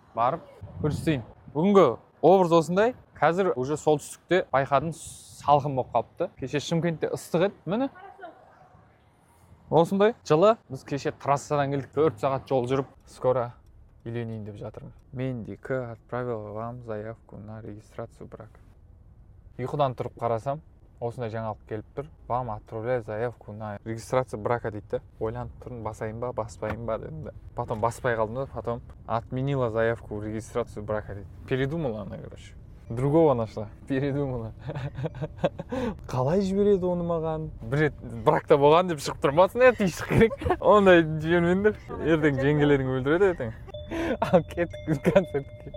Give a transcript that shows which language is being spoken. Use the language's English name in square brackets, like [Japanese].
[Kazakh] Барып көрсетейін. Бүгінгі образ осындай. Қазір уже солтүстікте байқадым, салқын болып қалыпты. Кеше Шымкентте ыстық еді. Міне. Осындай жылы біз кеше трассадан келдік, 4 сағат жол жүріп, скоро үйленейін деп жатырмын. Мен де [Russian] отправил вам заявку на регистрацию брака. [Kazakh] Ұйқыдан тұрып қарасам, осындай жаңалық келіп тұр. [Russian] Вам отправляю заявку на регистрацию брака дейді. [Kazakh] Ойланып тұрдым, басайын ба, баспайын ба дедім. [Russian] Потом [Kazakh] баспай қалдым да, [Russian] потом отменила заявку в регистрацию брака дейді. Передумала она, короче. Другого нашла. Передумала. [Kazakh] Қалай жібереді оны маған? Бір рет бракта болған деп шығып тұрмасын, әті еш керек. Ондай жібермеңдер. Ертең жеңгелерің өлтіреді ертең. Ал кеттік концертке.